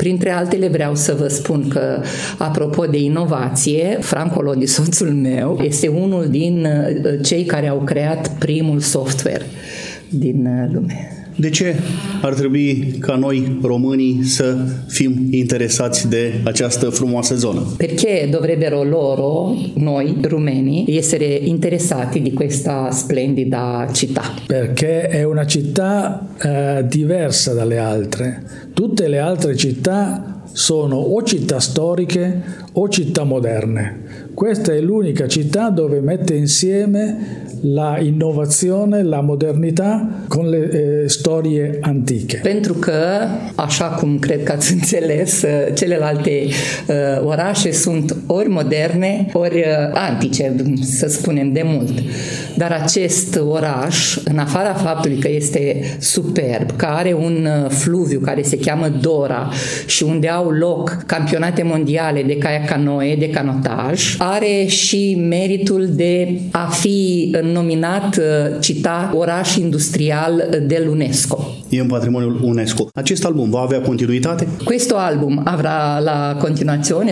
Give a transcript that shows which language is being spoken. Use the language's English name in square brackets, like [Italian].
[Romanian] Printre altele vreau să vă spun că, apropo de inovație, Franco Lodi, soțul meu, este unul din cei care au creat primul software din lume. De ce ar trebui ca noi românii să fim interesați de această frumoasă zonă? [Italian] Perché dovrebbero loro, noi rumeni, essere interessati di questa splendida città? Perché è una città diversa dalle altre. Tutte le altre città sono o città storiche o città moderne. Questa è l'unica città dove mette insieme la innovazione, la modernità con le storie antiche. [Romanian] Pentru că, așa cum cred că ați înțeles, celelalte orașe sunt ori moderne, ori antice, să spunem, de mult. Dar acest oraș, în afara faptului că este superb, că are un fluviu care se cheamă Dora și unde au loc campionate mondiale de caiac canoe, de canotaj, are și meritul de a fi în nominat cita oraș industrial de UNESCO. E în patrimoniul UNESCO. Acest album va avea continuitate? [Italian] Questo album avrà la continuazione?